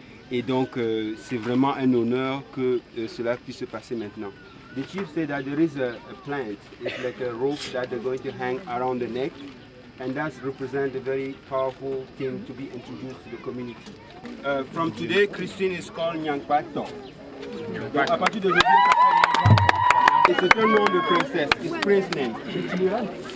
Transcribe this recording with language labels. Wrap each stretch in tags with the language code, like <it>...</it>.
<fr>Et donc, c'est vraiment un honneur que cela puisse se passer maintenant.</fr> <en>The chief said that there is a plant. It's like a rope that they're going to hang around the neck. And that represents a very powerful thing to be introduced to the community. From today, Christine is called Nyangpato.</en> <fr>Donc à partir de aujourd'hui, c'est un nom de princesse, c'est prince name.</fr>